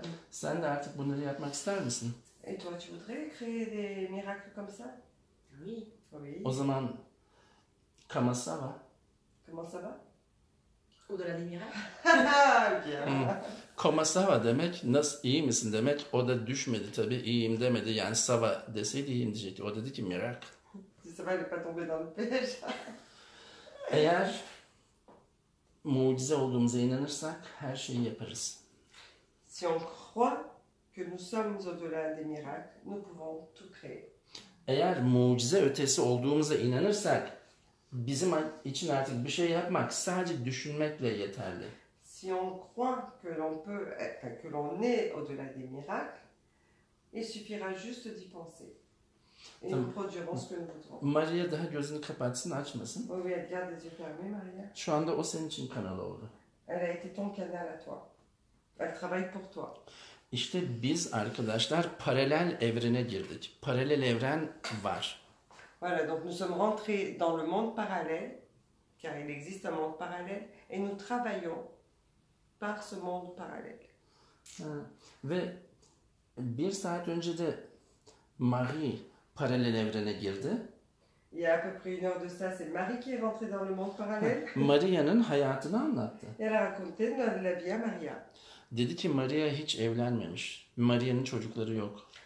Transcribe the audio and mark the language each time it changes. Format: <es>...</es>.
<tr>Sen de artık bunları yapmak ister misin?</tr> <fr>Et toi, tu voudrais créer des miracles comme ça? Oui.</fr> <tr>O zaman,</tr> <fr>comment ça va? Comment ça va? Au-delà des miracles? Comment ça va</fr> <tr>demek, nasıl, iyi misin demek, o da düşmedi tabii, iyiyim demedi. Yani</tr> <fr>ça va</fr> <tr>deseydi iyiyim diyecekti. O dedi ki, miracle.</tr> <fr>Ça va, elle est pas tombée dans le piège.</fr> <tr>Eğer mucize olduğumuza inanırsak, her şeyi yaparız.</tr> <fr>Si on croit que nous sommes au-delà des miracles, nous pouvons tout créer.</fr> <tr>Eğer mucize ötesi olduğumuza inanırsak, bizim için artık bir şey yapmak sadece düşünmekle yeterli.</tr> <fr>Si on croit que l'on peut, enfin, que l'on est au-delà des miracles, il suffira juste d'y penser. Et</fr> <tr>tamam.</tr> <fr>Nous produirons ce que nous voudrons.</fr> <tr>Maria daha gözünü kapatsın, açmasın.</tr> <fr>Oui, elle garde les yeux fermés, Maria.</fr> <tr>Şu anda o senin için kanal oldu.</tr> <fr>Elle a été ton canal à toi. Elle travaille pour toi.</fr> <tr>İşte biz arkadaşlar paralel evrene girdik. Paralel evren var.</tr> <fr>Voilà, donc nous sommes rentrés dans le monde parallèle, car il existe un monde parallèle, et nous travaillons par ce monde parallèle.</fr> <tr>Ve bir saat önce de Marie paralel evrene girdi.</tr> <fr>Il y a à peu près une heure de ça, c'est Marie qui est rentrée dans le monde parallèle.</fr> <tr>Maria'nın hayatını anlattı.</tr> <fr>Elle a raconté de la vie à Maria.</fr> <tr>Dedi ki Maria hiç evlenmemiş. Maria'nın çocukları yok.</tr>